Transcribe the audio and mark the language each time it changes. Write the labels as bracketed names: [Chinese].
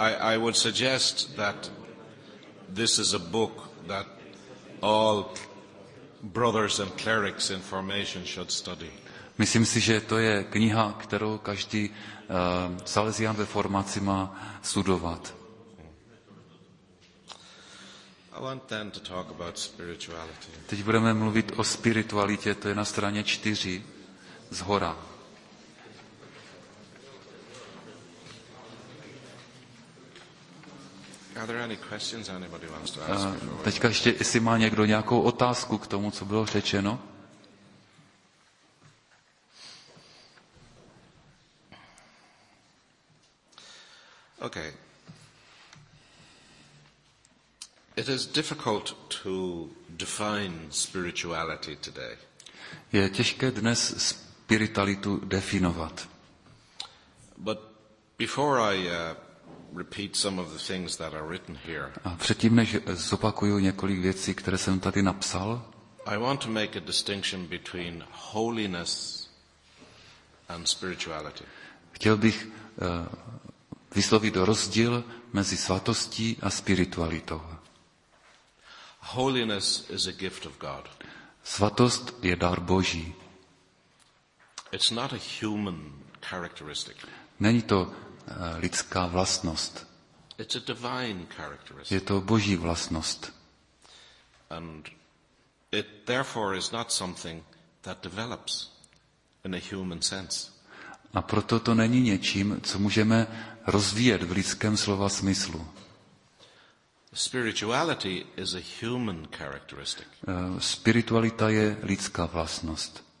[English] I would suggest that this is a book that all brothers and clerics in formation should study. [Czech] Myslím si, že to je kniha, kterou každý salesián ve formaci má studovat. [English] I want then to talk about spirituality. [Czech] Teď budeme mluvit o spiritualitě, to je na straně 4 zhora. [English] Are there any questions anybody wants to ask? [Czech] Teďka ještě, jestli má někdo nějakou otázku k tomu, co bylo řečeno? [English] Okay. It is difficult to define spirituality today. [Czech] Je těžké dnes spiritualitu definovat. [English] But before I repeat some of the things that are written here. [Czech] A předtím, než zopakuju několik věcí, které jsem tady napsal. [English] I want to make a distinction between holiness and spirituality. [Czech] Chtěl bych vyslovit rozdíl mezi svatostí a spiritualitou. [English] Holiness is a gift of God. [Czech] Svatost je dar Boží. [English] It's not a human characteristic. [Czech] Není to lidská vlastnost. [English] It's a divine characteristic. [Czech] Je to boží vlastnost. [English] And it therefore is not something that develops in a human sense. [Czech] A proto to není něčím, co můžeme rozvíjet v lidském slova smyslu. [English] Spirituality is a human characteristic. [Czech] Spiritualita je lidská vlastnost.